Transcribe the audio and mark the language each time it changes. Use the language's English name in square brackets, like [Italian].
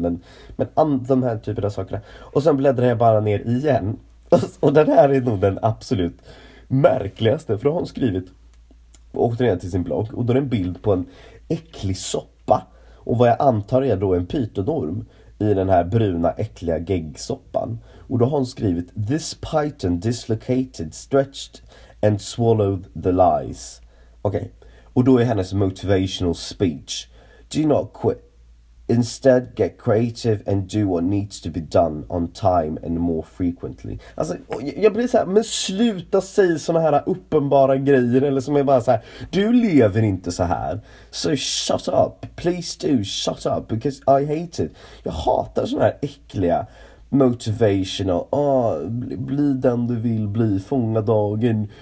[Swedish] Men de här typen av sakerna. Och sen bläddrar jag bara ner igen. Och den här är nog den absolut märkligaste. För då har hon skrivit... Och åkte ner till sin blogg. Och då är en bild på en äcklig soppa. Och vad jag antar är då en pytonorm. I den här bruna, äckliga geggsoppan. Och då har hon skrivit... [English] This python dislocated, stretched and swallowed the lies. [Swedish] Okej. Och då är hennes motivational speech... [English] Do not quit. Instead, get creative and do what needs to be done on time and more frequently. [Swedish] Alltså, jag blir så här, men sluta säga såna här uppenbara grejer. Eller som är bara så här, du lever inte så här. [English] So shut up. Please do shut up. Because I hate it. [Swedish] Jag hatar såna här äckliga [English] motivational. [Swedish] Oh, bli den du vill bli. Fånga dagen.